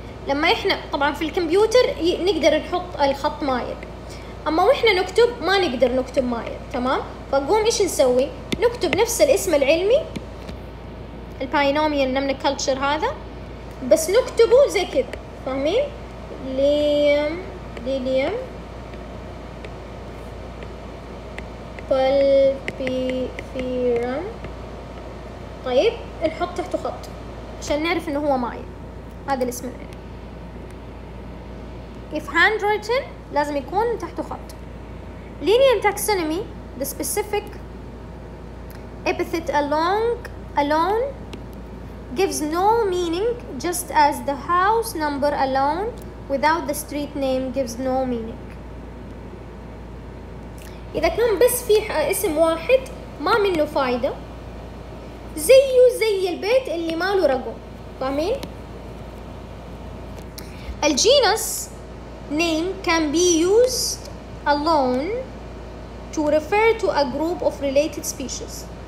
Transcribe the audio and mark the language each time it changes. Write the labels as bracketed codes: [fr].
[ar] لما إحنا طبعاً في الكمبيوتر نقدر نحط الخط مايل، أما وإحنا نكتب ما نقدر نكتب مايل، تمام؟ فقوم إيش نسوي؟ نكتب نفس الاسم العلمي البينوميال نمنا كلتشر هذا، بس نكتبه زي كذا، فاهمين؟ Linnaeum Linnaeum papilifera. طيب نحط تحته خط عشان نعرف انه هو ماي، هذا الاسم العلمي. [en] If handwritten [ar] لازم يكون تحته خط. [en] Linnaeum taxonomy the specific epithet alone gives no meaning just as the house number alone without the street name gives no meaning. [ar] إذا كان بس في اسم واحد ما منه فايدة، زيه زي البيت اللي ماله رقم، فاهمين؟ الجينس [en] name can be used alone to refer to a group of related species.